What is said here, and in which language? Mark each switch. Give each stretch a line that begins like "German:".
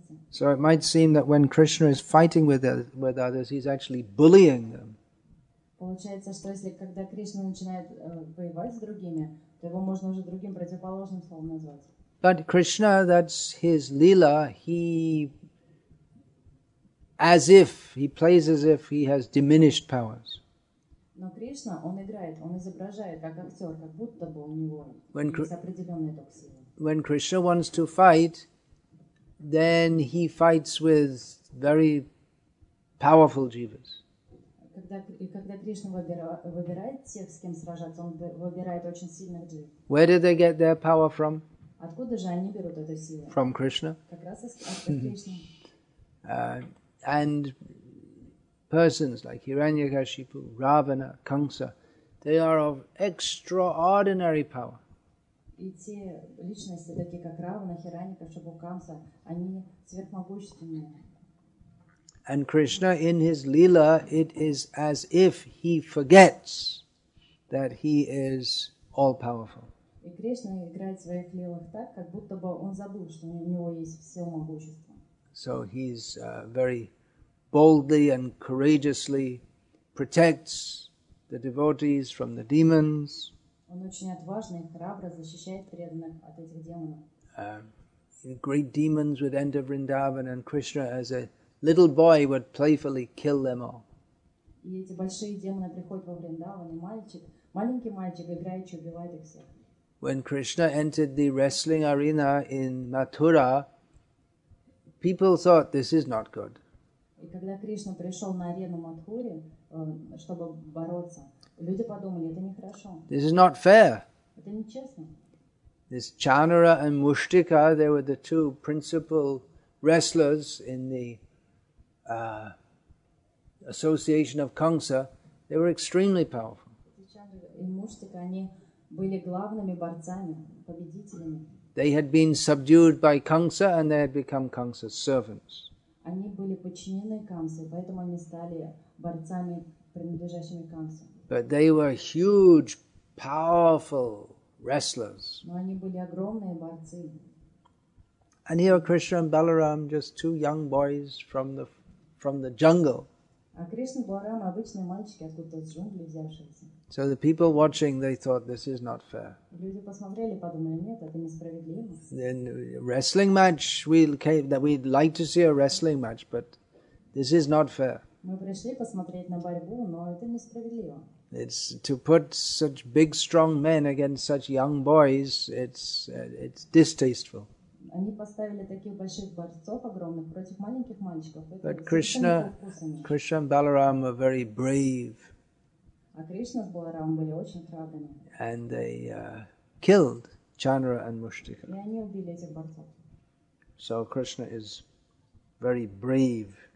English: So it might seem that when Krishna is fighting with others, he's actually bullying them.
Russian: Получается, что если когда Кришна начинает воевать с другими, то его можно уже другим противоположным словом назвать.
English: But Krishna, that's his lila. He, as if, he plays as if he has diminished powers.
Russian: Но Кришна, он играет, он изображает как актер, как будто бы у него есть определенные токсины.
English: When Krishna wants to fight, then he fights with very powerful jivas.
Russian: Когда Кришна выбирает тех, с кем сражаться, он выбирает очень сильных джив.
English: Where do they get their power from?
Russian: Откуда же они берут эту силу?
English: From Krishna.
Russian: Как раз из Кришны.
English: And persons like Hiranyakashipu, Ravana, Kamsa, they are of extraordinary power.
Russian: И те личности, такие как Равана, Хираньякашипу, Камса, они сверхмогущественные.
English: And Krishna, in his lila, it is as if he forgets that he is all-powerful.
Russian: И Кришна играет в своих лилах так, как будто бы он забыл, что у него есть все могущество.
English: So he's very boldly and courageously protects the devotees from the demons.
Russian: Он очень отважный и храбро защищает преданных от этих демонов.
English: Great demons would enter Vrindavan, and Krishna, as a little boy, would playfully kill them all.
Russian: И эти большие демоны приходят во Вриндаван, и маленький мальчик играючи убивает их всех.
English: When Krishna entered the wrestling arena in Mathura, people thought this is not good.
Russian: И когда Кришна пришел на арену Матхуре, чтобы бороться. Люди подумали, это нехорошо.
English: This is not fair.
Russian: Это нечестно.
English: This Chanara and Mushtika, they were the two principal wrestlers in the association of Kamsa. They were extremely powerful.
Russian: Chanara и Mushtika, они были главными борцами, победителями.
English: They had been subdued by Kamsa and they had become Kamsa's servants.
Russian: Они были подчинены Камсе, поэтому они стали борцами, принадлежащими Камсе.
English: But they were huge, powerful wrestlers.
Russian: Но они были огромные борцы.
English: And here are Krishna and Balaram, just two young boys from the jungle.
Russian: А Кришна и Баларам обычные мальчики, откуда-то из джунглей взявшиеся.
English: So the people watching, they thought, this is not fair.
Russian: Люди посмотрели, подумали, нет, это несправедливо.
English: Then wrestling match, we'd like to see a wrestling match, but this is not fair.
Russian: Мы пришли посмотреть на борьбу, но это несправедливо.
English: It's to put such big, strong men against such young boys. It's distasteful.
Russian: Они поставили таких больших борцов огромных против маленьких мальчиков.
English: But Krishna and Balaram were very brave.
Russian: А Кришна с Баларамом были очень храбрыми.
English: And they killed Chanara and Mushtika.
Russian: И они убили этих борцов.
English: So Krishna is very brave.